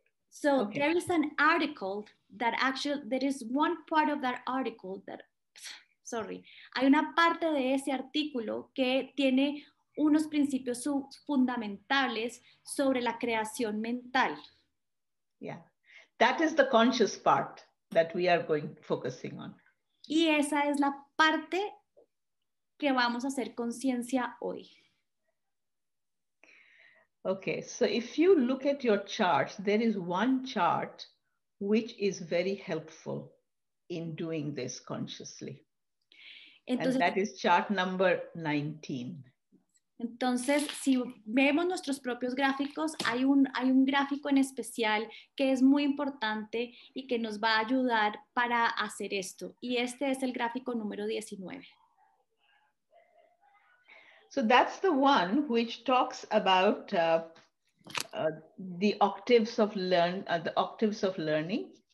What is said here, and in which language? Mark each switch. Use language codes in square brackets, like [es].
[en] So okay. There is an article that actually, there is one part of that article that, sorry, [es] hay una parte de ese artículo que tiene unos principios fundamentales sobre la creación mental. [en] Yeah, that is the conscious part that we are going focusing on. [es] Y esa es la parte que vamos a hacer conciencia hoy. [en] Okay, so if you look at your chart, there is one chart which is very helpful in doing this consciously. Entonces, and that is chart number 19. [es] Entonces, si vemos nuestros propios gráficos, hay un gráfico en especial que es muy importante y que nos va a ayudar para hacer esto. Y este es el gráfico número 19. [en] So that's the one which talks about the octaves of learn, the octaves of learning.